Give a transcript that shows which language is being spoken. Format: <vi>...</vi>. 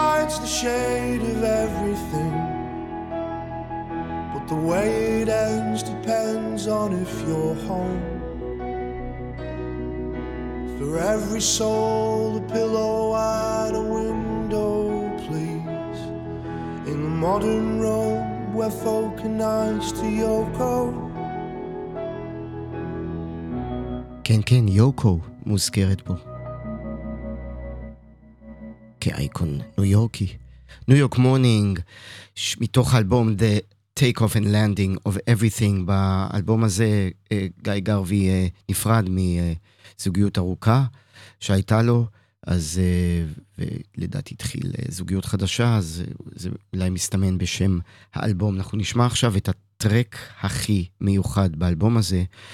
<en>hides the shade of everything. But the way it ends depends on if you're home. For every soul, a pillow and a window, please. In the modern Rome, where folk are nice to Yoko.</en> <he>כן כן, יוקו מוזכרת בו כאייקון ניו יורקי. ניו יורק מורנינג, מתוך האלבום The Take Off and Landing of Everything. באלבום הזה גיא גרבי נפרד מזוגיות ארוכה שהייתה לו, אז ולדעתי התחיל זוגיות חדשה, אז זה אולי מסתמן בשם האלבום. אנחנו נשמע עכשיו את טרק הכי מיוחד באלבום הזה.</he>